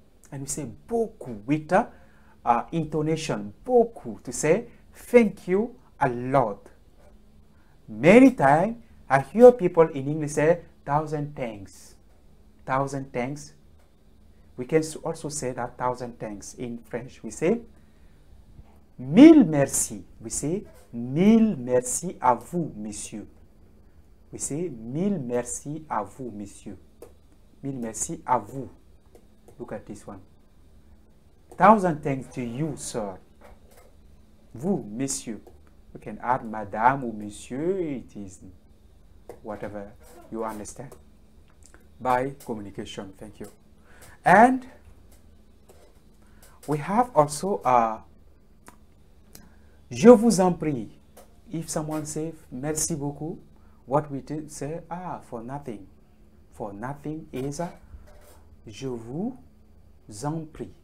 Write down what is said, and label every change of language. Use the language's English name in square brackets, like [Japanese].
[English] And we say beaucoup with intonation. Beaucoup to say thank you a lot. Many times I hear people in English say thousand thanks. Thousand thanks. We can also say that thousand thanks. In French, we say [French] mille merci. [English] We say [French] mille merci à vous, monsieur. [English] We say [French] mille merci à vous, monsieur. Mille merci à vous. [English] Look at this one. Thousand thanks to you, sir. [French] Vous, monsieur. [English] We can add madame or monsieur. It is whatever you understand by communication. Thank you. And we have also [French] je vous en prie. [English] If someone says [French] merci beaucoup, [English] what we do say, ah, for nothing. For nothing is [French] je vous en prie.